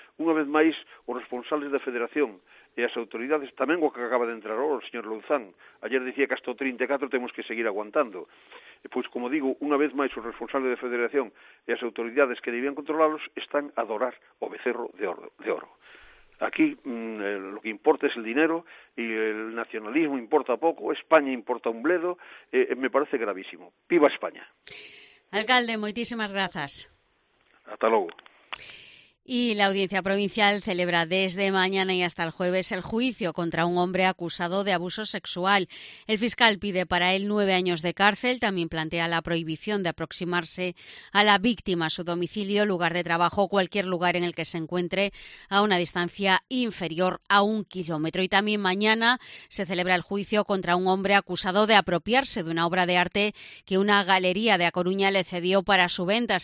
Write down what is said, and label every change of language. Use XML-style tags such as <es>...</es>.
<gl>Unha vez máis, os responsables da Federación e as autoridades, tamén o que acaba de entrar o señor Louzán, ayer dicía que hasta o 34 temos que seguir aguantando. E, pois, como digo, unha vez máis, os responsables da Federación e as autoridades que debían controlarlos están a adorar o becerro de oro.</gl> <es>Aquí lo que importa es el dinero y el nacionalismo importa poco, España importa un bledo, me parece gravísimo. ¡Viva España!</es> <gl>Alcalde, moitísimas grazas.</gl> <es>Hasta luego. Y la Audiencia Provincial celebra desde mañana y hasta el jueves el juicio contra un hombre acusado de abuso sexual. El fiscal pide para él 9 años de cárcel. También plantea la prohibición de aproximarse a la víctima, a su domicilio, lugar de trabajo, cualquier lugar en el que se encuentre a una distancia inferior a 1 kilómetro. Y también mañana se celebra el juicio contra un hombre acusado de apropiarse de una obra de arte que una galería de A Coruña le cedió para su venta.</es>